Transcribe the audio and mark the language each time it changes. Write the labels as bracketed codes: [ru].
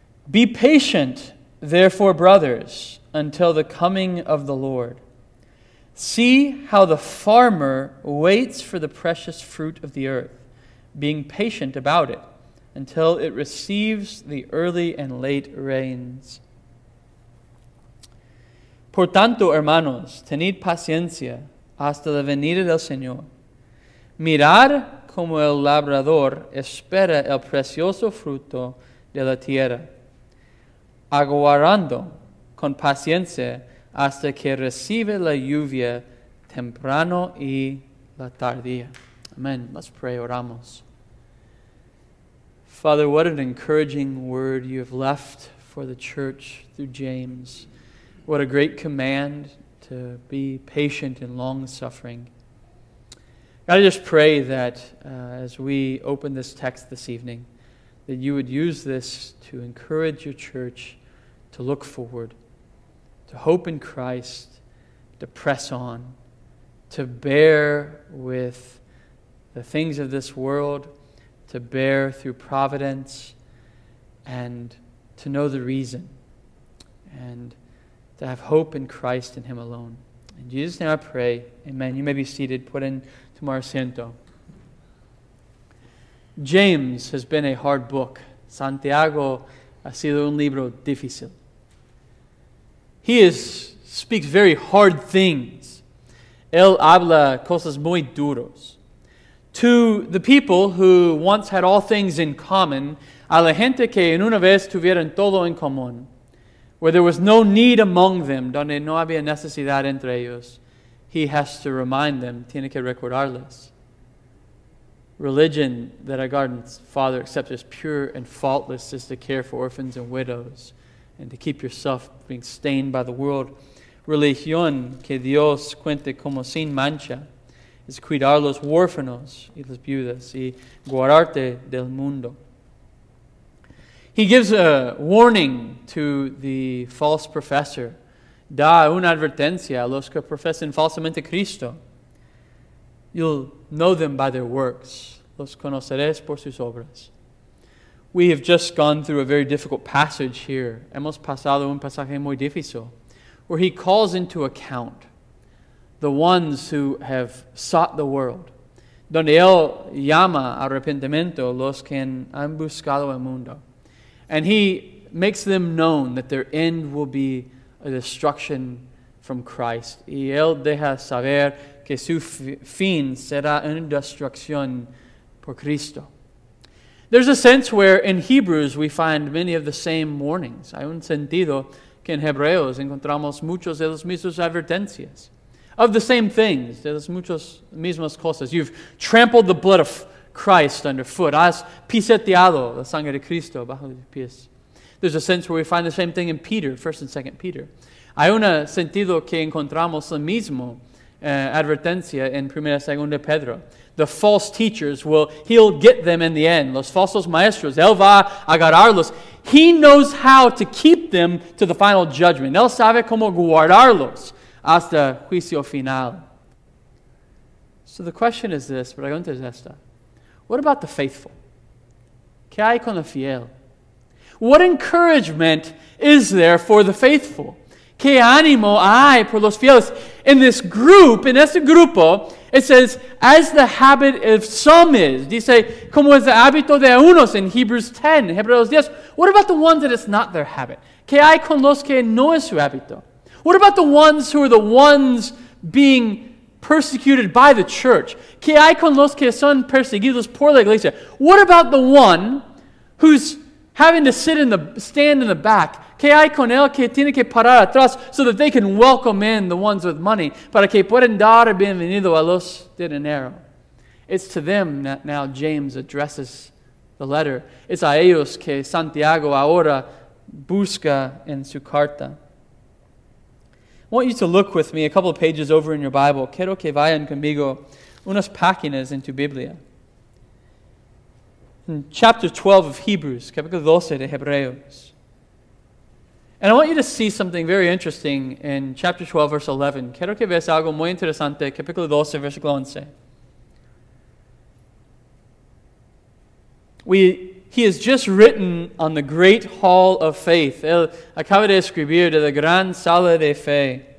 [en] Be patient, therefore, brothers, until the coming of the Lord. See how the farmer waits for the precious fruit of the earth, being patient about it until it receives the early and late rains. [es] Por tanto, hermanos, tened paciencia hasta la venida del Señor. Mirad como el labrador espera el precioso fruto de la tierra, aguardando con paciencia hasta que recibe la lluvia temprano y la tardía. [en] Amen. Let's pray. [es] Oramos. [en] Father, what an encouraging word you have left for the church through James. What a great command to be patient and long-suffering. God, I just pray that as we open this text this evening, that you would use this to encourage your church to look forward, to hope in Christ, to press on, to bear with the things of this world, to bear through providence, and to know the reason, and to have hope in Christ and Him alone. In Jesus' name I pray, amen. You may be seated, put in to [es] mi asiento. [en] James has been a hard book. [es] Santiago ha sido un libro difícil. [en] He speaks very hard things. [es] Él habla cosas muy duros. [en] To the people who once had all things in common, [es] a la gente que en una vez tuvieron todo en común, [en] where there was no need among them, [es] donde no había necesidad entre ellos, [en] he has to remind them, [es] tiene que recordarles. [en] Religion that our God's Father accepts as pure and faultless is to care for orphans and widows, and to keep yourself being stained by the world. [es] Religión que Dios cuente como sin mancha es cuidar los huérfanos y las viudas y guardarte del mundo. [en] He gives a warning to the false professor. [es] Da una advertencia a los que profesan falsamente Cristo. [en] You'll know them by their works. [es] Los conoceréis por sus obras. [en] We have just gone through a very difficult passage here. [es] Hemos pasado un pasaje muy difícil, [en] where he calls into account the ones who have sought the world. [es] Donde él llama arrepentimiento los que han buscado el mundo. [en] And he makes them known that their end will be a destruction from Christ. [es] Y él deja saber que su fin será una destrucción por Cristo. [en] There's a sense where in Hebrews we find many of the same warnings. [es] Hay un sentido que en Hebreos encontramos muchos de los mismos advertencias. [en] Of the same things, [es] de las muchas mismas cosas. [en] You've trampled the blood of Christ underfoot. [es] Has pisoteado la sangre de Cristo bajo los pies. [en] There's a sense where we find the same thing in Peter, 1 and 2 Peter. [es] Hay un sentido que encontramos la misma advertencia en 1 y 2 Pedro. [en] The false teachers will, he'll get them in the end. [es] Los falsos maestros, él va a agarrarlos. [en] He knows how to keep them to the final judgment. [es] Él sabe cómo guardarlos hasta juicio final. [en] So the question is this, [es] pregunta es esta. [en] What about the faithful? [es] ¿Qué hay con el fiel? [en] What encouragement is there for the faithful? [es] ¿Qué ánimo hay por los fieles? [en] In this group, [es] in este grupo, [en] it says, as the habit of some is. [es] Dice, como es el hábito de unos [en] in Hebrews 10, [es] Hebreos 10. [en] What about the ones that it's not their habit? [es] ¿Qué hay con los que no es su hábito? [en] What about the ones who are the ones being persecuted by the church? [es] ¿Qué hay con los que son perseguidos por la iglesia? [en] What about the one who's having to stand in the back? ¿Qué hay con él que tiene que parar atrás so that they can welcome in the ones with money? [es] Para que puedan dar bienvenido a los de dinero. [en] It's to them that now James addresses the letter. [es] Es a ellos que Santiago ahora Busca en su carta. [en] I want you to look with me a couple of pages over in your Bible. [es] Quiero que vayan conmigo unas páginas en tu Biblia. [en] In chapter 12 of Hebrews, [es] capítulo 12 de Hebreos. [en] And I want you to see something very interesting in chapter 12, verse 11. [es] Quiero que veas algo muy interesante, capítulo 12, versículo 11. [en] He has just written on the great hall of faith. [es] Él acaba de escribir de la gran sala de fe.